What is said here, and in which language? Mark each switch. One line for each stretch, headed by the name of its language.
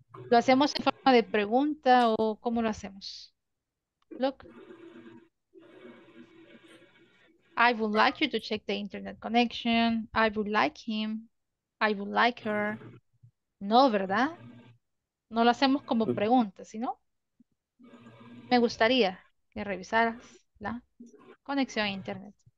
Spanish: ¿Lo hacemos en forma de pregunta o cómo lo hacemos?
English: Look. I would like you to check the internet connection. I would like him. I would like her. No, ¿verdad?
Spanish: No lo hacemos como pregunta, sino me gustaría que revisaras la conexión a internet.